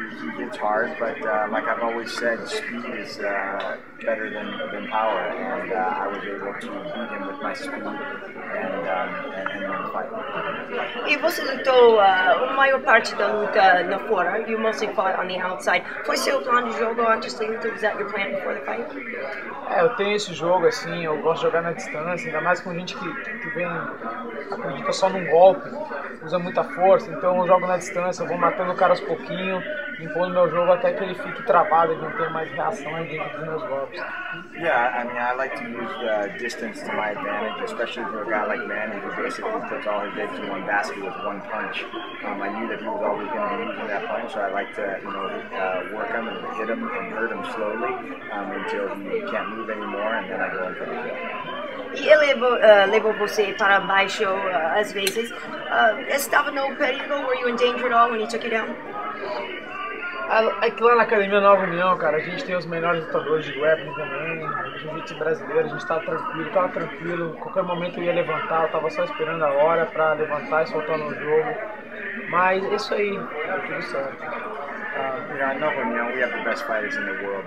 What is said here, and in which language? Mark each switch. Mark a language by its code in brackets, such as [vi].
[en] He hits hard, but like I've always said, speed is better than power. And I was able to beat him with my speed and win the fight. [pt] E você lutou a maior parte da luta na fora. [en] You mostly fought on the outside. [pt] Foi seu plano de jogo antes de lutar? [en] Was that your plan before the fight? [pt] Eu tenho esse jogo, assim, eu gosto de jogar na distância, ainda mais com gente que vem, acredita só num golpe, usa muita força, então eu jogo na distância, eu vou matando o cara aos pouquinho, impondo meu jogo até que ele fique travado e não tenha mais reação dentro dos meus golpes. [en] Yeah, I mean, I like to use the distance to my advantage, especially for a guy like Manny, who basically puts all his eggs in one basket with one punch. I knew that he was always going to be using that punch, so I like to, you know, work him and hit him and hurt him slowly until he can't move anymore, and then I go in for the kill. [pt] E ele levou você para baixo às vezes. Estava no perigo? [en] Were you in danger at all when he took you down? [pt] É que lá na Academia Nova União, cara, a gente tem os melhores lutadores de grappling também, jiu-jitsu brasileiro, a gente tava tranquilo, qualquer momento eu ia levantar, eu tava só esperando a hora pra levantar e soltar no jogo, mas isso aí, é tudo certo. [en] You know, at Nova Union, we have the best fighters in the world.